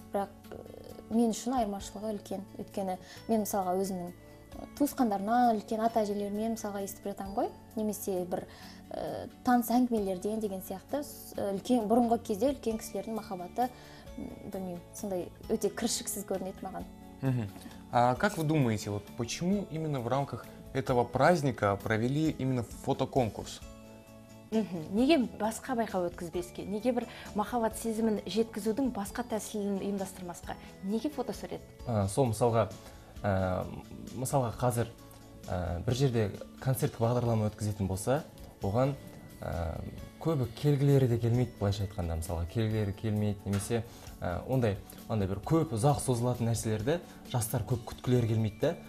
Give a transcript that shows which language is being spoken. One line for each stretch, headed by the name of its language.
Kazakh: Бірақ мен үшін айырмашылығы үлкен, өйткені мен мысалға өзімнің туысқандарына, үлкен ата әжелеріме мысалға естіп жатам ғой, немесе бір таныс әңгімелерден деген сияқты. Үлкен бұрынғы кезде үлкен кісілердің махаббаты білмеймін, сондай өте кіршіксіз көрінеді маған.
Russian: А как вы думаете, вот почему именно в рамках этого праздника провели именно фотоконкурс?
Kazakh: Неге басқа байқау өткізбеске? Неге бір махаббат сезімін жеткізудің басқа тәсілін ұйымдастырмасқа? Неге фотосурет? Сол мысалға, мысалға қазір бір жерде концерт бағдарлама өткізетін болса, оған көбі келгілері де келмейді, былайша айтқанда, мысалға келгілері келмейді, немесе ондай бір көп ұзақ созылатын нәрселерді жастар көп күткілері келмейді де.